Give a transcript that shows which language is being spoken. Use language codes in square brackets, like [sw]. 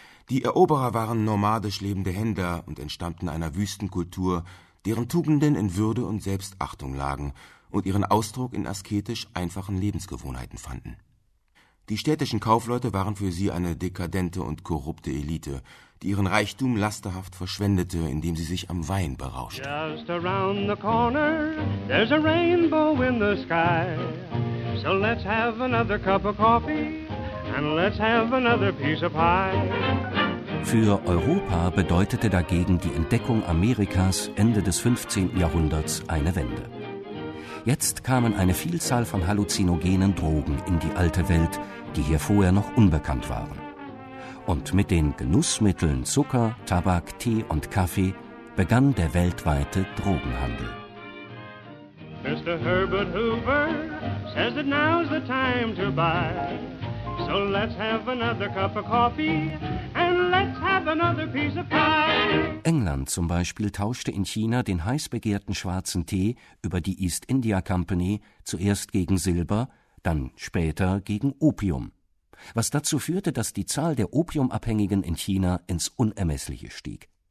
[de] Die Eroberer waren nomadisch lebende Händler und entstammten einer Wüstenkultur, deren Tugenden in Würde und Selbstachtung lagen und ihren Ausdruck in asketisch einfachen Lebensgewohnheiten fanden. Die städtischen Kaufleute waren für sie eine dekadente und korrupte Elite, die ihren Reichtum lasterhaft verschwendete, indem sie sich am Wein berauschte. [en] Just around the corner, there's a rainbow in the sky. So let's have another cup of coffee. And let's have another piece of pie. [de] Für Europa bedeutete dagegen die Entdeckung Amerikas Ende des 15. Jahrhunderts eine Wende. Jetzt kamen eine Vielzahl von halluzinogenen Drogen in die alte Welt, die hier vorher noch unbekannt waren. Und mit den Genussmitteln Zucker, Tabak, Tee und Kaffee begann der weltweite Drogenhandel. [en] Mr. Herbert Hoover says that now's the time to buy. So let's have another cup of coffee and let's have another piece of pie. [de] England zum Beispiel tauschte in China den heiß begehrten schwarzen Tee über die East India Company zuerst gegen Silber, dann später gegen Opium. Was dazu führte, dass die Zahl der Opiumabhängigen in China ins Unermessliche stieg.